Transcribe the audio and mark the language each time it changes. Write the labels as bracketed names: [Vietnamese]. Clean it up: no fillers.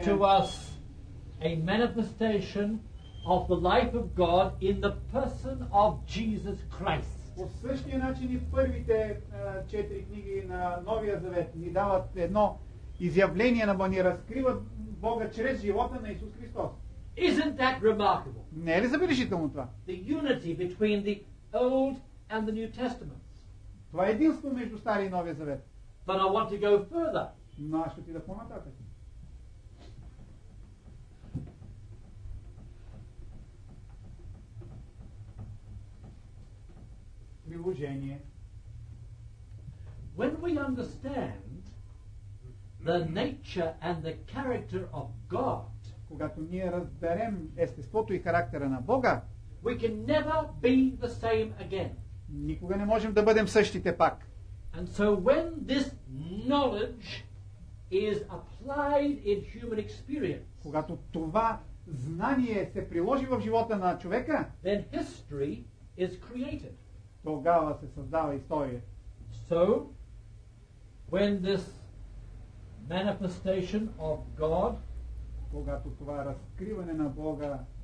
[English] give to us a manifestation of the life of God in the person of Jesus Christ. [Bulgarian] По същия начин и първите 4 книги на Новия Завет ни дават едно изявление на Бога, ни разкриват Бога чрез живота на Исус Христос. [English] Isn't that remarkable? [Bulgarian] Не е ли забележително това? [English] The unity between the Old and the New Testaments. [Bulgarian] Това е единство между Стария и Новия Завет. [English] But I want to go further. [Bulgarian] Но аз ще отида по-нататък. Приложение. [English] When we understand the nature and the character of God, [Bulgarian] когато ние разберем естеството и характера на Бога, [English] We can never be the same again. [Bulgarian] Никога не можем да бъдем същите пак. [English] And so when this knowledge is applied in human experience, [Bulgarian] когато това знание се приложи в живота на човека, [English] then history is created. [Bulgarian] Тогава се създава история. [English] So when this manifestation of God, [Bulgarian] когато това разкриване на Бога,